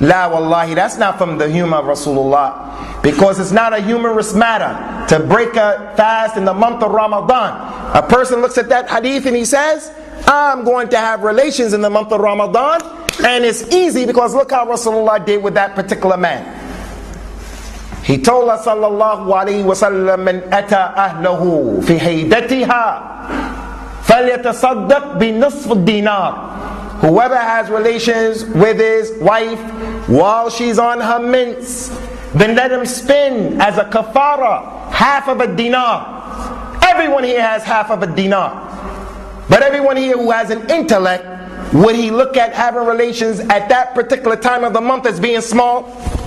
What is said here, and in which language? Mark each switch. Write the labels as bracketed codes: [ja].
[ar] La wallahi, [en] that's not from the humor of Rasulullah. Because it's not a humorous matter to break a fast in the month of Ramadan. A person looks at that hadith and he says, I'm going to have relations in the month of Ramadan. And it's easy because look how Rasulullah did with that particular man. He told us, [ar] sallallahu alayhi wa sallam, من أتى أهله في هيدتها فليتصدق بنصف الدينار. [en] Whoever has relations with his wife while she's on her mints, then let him spend as a kafara half of a dinar. Everyone here has half of a dinar. But everyone here who has an intellect, would he look at having relations at that particular time of the month as being small?